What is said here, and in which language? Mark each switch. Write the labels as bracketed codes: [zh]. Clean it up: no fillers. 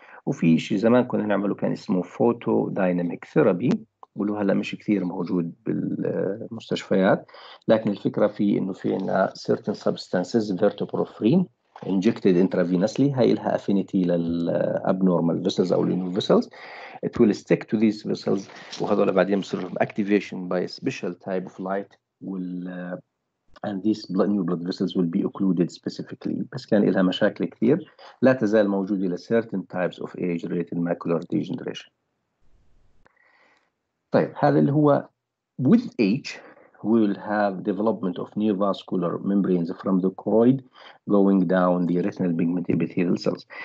[ar] وفي شيء زمان كنا نعمله كان اسمه photo dynamic therapy، قولوا هلا مش كثير موجود بالمستشفيات، لكن الفكرة في إنه في عنا [en] certain substances vertoprofrin injected intravenously، [ar] هاي لها affinity للabnormal vessels أو new vessels. [en] It will stick to these vessels [ar] وهذول بعدين بصيرهم [en] activation by a special type of light will, and these blood, new blood vessels will be occluded specifically. [ar] بس كان لها مشاكل كثير، لا تزال موجودة لـ [en] certain types of age-related macular degeneration. [ar] طيب هذا اللي هو [en] with age we will have development of neovascular membranes from the choroid going down the retinal pigment epithelial cells.